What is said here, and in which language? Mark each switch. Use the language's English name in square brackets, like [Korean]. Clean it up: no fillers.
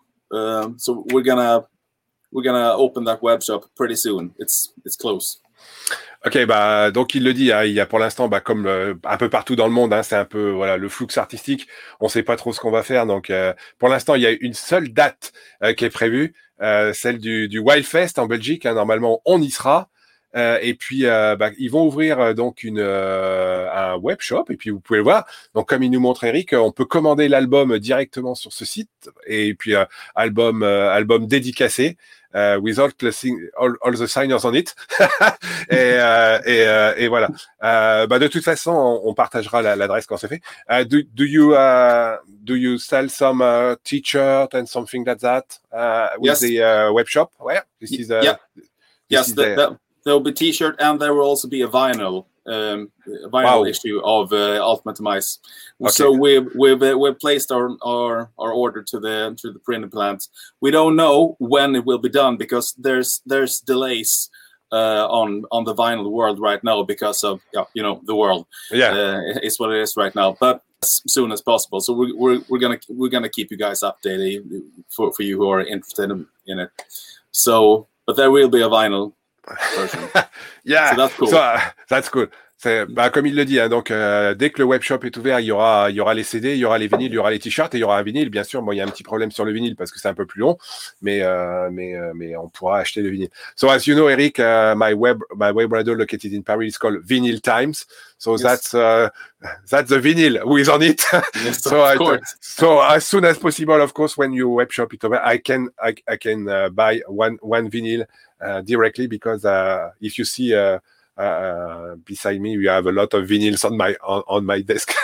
[English] So we're gonna open that web shop pretty soon. It's close. [French] Ok, bah donc il le dit, hein, il y a pour l'instant, bah comme un peu partout dans le monde, hein, c'est un peu voilà le flux artistique. On sait pas trop ce qu'on va faire. Donc pour l'instant, il y a une seule date qui est prévue, celle du Wildfest en Belgique. Hein, normalement, on y sera. Et puis bah, ils vont ouvrir donc un web shop et puis vous pouvez le voir. Donc comme il nous montre Eric, on peut commander l'album directement sur ce site et puis album dédicacé [English] without all the signers on it. [French] et voilà. Bah de toute façon, on partagera l'adresse quand c'est fait. [English] Do you sell some t-shirt and something like that with yes. the web shop? Where this is yeah. Yes, the there will be T-shirt, and there will also be a vinyl wow. issue of Ultimate Demise. Okay. So we've placed our order to the printing plant. We don't know when it will be done because there's delays on the vinyl world right now because of the world. Yeah, is what it is right now. But as soon as possible. So we're gonna keep you guys updated for you who are interested in it. So, but there will be a vinyl. Yeah, so that's cool. [French] C'est, bah, comme il le dit, hein, donc dès que le webshop est ouvert, il y aura les CD, il y aura les vinyles, il y aura les t-shirts et il y aura un vinyle. Bien sûr, moi, il y a un petit problème sur le vinyle parce que c'est un peu plus long, mais on pourra acheter le vinyle. [English] So as you know, Eric, my web radio located in Paris is called Vinyl Times. So yes. that's the vinyl who is on it. Yes, so of course. So as soon as possible, of course, when your webshop is open, I can buy one vinyl directly because if you see beside me, we have a lot of vinyls on my desk.